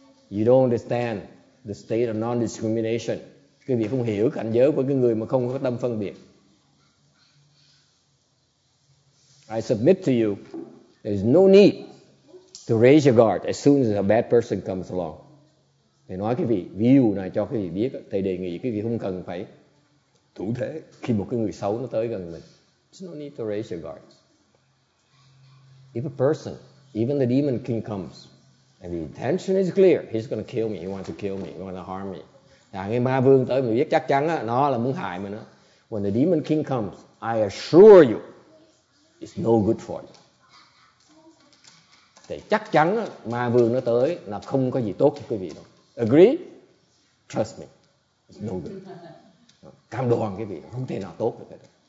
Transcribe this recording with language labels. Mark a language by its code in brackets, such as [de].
[en] You don't understand the state of non-discrimination. [vi] Quý vị không hiểu cảnh giới của cái người mà không có tâm phân biệt. [en] I submit to you, there's no need to raise your guard as soon as a bad person comes along. [vi] Thầy nói cái vị view này cho cái vị biết, thầy đề nghị cái vị không cần phải thủ thế khi một cái người xấu nó tới gần mình. [en] There's no need to raise your guards. If a person, even the demon king comes, and the intention is clear, he's going to kill me, he wants to kill me, he wants to harm me. [vi] Thằng ma vương tới mình biết chắc chắn á, nó là muốn hại mình á. [en] When the demon king comes, I assure you, it's no good for you. [vi] Thì chắc chắn ma vương nó tới là không có gì tốt cho quý vị đâu. Agree? [en] Trust me, it's no good. [vi] Cam đoan quý vị, không thể nào tốt được cái đó.